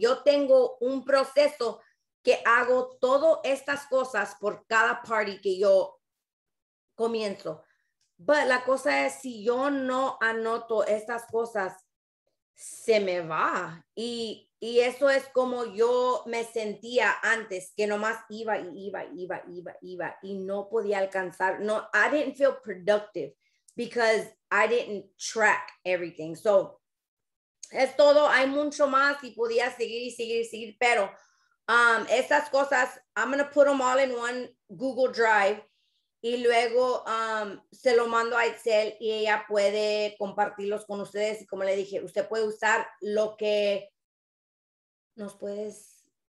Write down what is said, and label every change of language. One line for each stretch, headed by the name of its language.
Spanish: Yo tengo un proceso que hago todas estas cosas por cada party que yo comienzo. Pero la cosa es, si yo no anoto estas cosas, se me va. Y eso es como yo me sentía antes, que nomás iba y iba y iba y iba, iba y no podía alcanzar.
English: No, I didn't feel productive because I didn't track everything.
Spanish: So, es todo. Hay mucho más y podía seguir y seguir y seguir. Pero esas cosas,
English: I'm going to put them all in one Google Drive.
Spanish: Y luego se lo mando a Excel y ella puede compartirlos con ustedes. Y como le dije, usted puede usar lo que nos puedes.